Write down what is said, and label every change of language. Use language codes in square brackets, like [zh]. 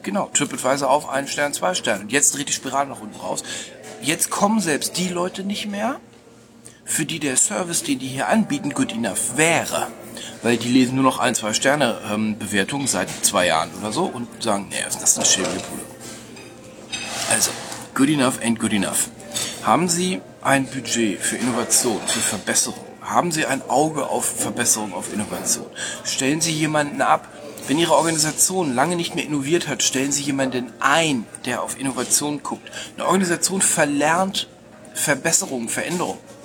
[de] Genau, TripAdvisor auf, einen Stern, zwei Sterne. Und jetzt dreht die Spirale nach unten raus. Jetzt kommen selbst die Leute nicht mehr, für die der Service, den die hier anbieten, [en] good enough [de] wäre. Weil die lesen nur noch ein, zwei Sterne Bewertungen seit zwei Jahren oder so und sagen, nee, das ist eine schäbige Bude. [en] Also, good enough ain't good enough. [de] Haben Sie ein Budget für Innovation, für Verbesserung? Haben Sie ein Auge auf Verbesserung, auf Innovation? Stellen Sie jemanden ab, wenn Ihre Organisation lange nicht mehr innoviert hat, stellen Sie jemanden ein, der auf Innovation guckt. Eine Organisation verlernt Verbesserung, Veränderung.